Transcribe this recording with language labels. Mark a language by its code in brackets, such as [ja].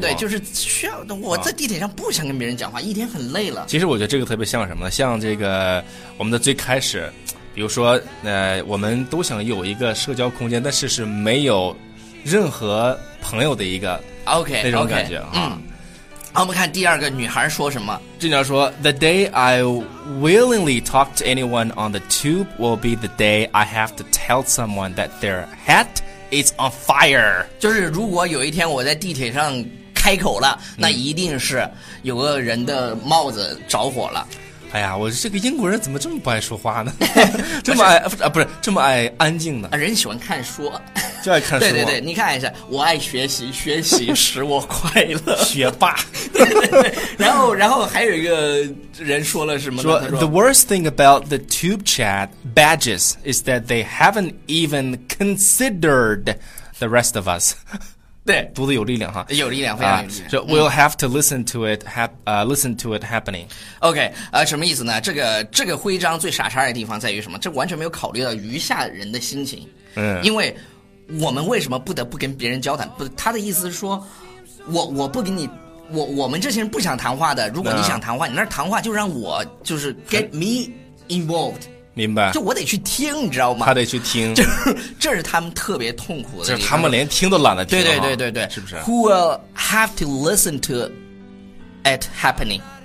[zh] 对，就是需要我在地铁上不想跟别人讲话，一天很累了。其实我觉得这个特别像什么呢？像这个我们的最开始，比如说我们都想有一个社交空间，但是没有任何朋友的一个 OK 那种感觉。我们看第二个女孩说什么。这女孩说 [en] The day I willingly talk to anyone on the tube will be the day I have to tell someone that their hat is on fire。 [zh] 就是如果有一天我在地铁上开口了，那一定是有个人的帽子着火了。哎呀，我这个英国人怎么这么不爱说话呢？这么爱不是这么爱安静呢？人喜欢看书，就爱看书。对，你看一下，我爱学习，学习使我快乐，学霸。对，然后还有一个人说了什么呢？说 [en] The worst thing about the tube chat badges is that they haven't even considered the rest of us。 [zh] 对，读的有力量哈，有力量，非常有力量。 [en] So we'll have to listen to it listen to it happening. [zh] OK， 什么意思呢？这个徽章最傻叉的地方在于什么？这完全没有考虑到余下人的心情。因为我们为什么不得不跟别人交谈？不，他的意思是说，我不跟你我们这些人不想谈话的，如果你想谈话，你那谈话就让我就是 [en] get me involved。 [zh] 明白，就我得去听，你知道吗？他得去听，就这是他们特别痛苦的，就是他们连听都懒得听。对对对对对，是不是 [en] ？Who will have to listen to it happening？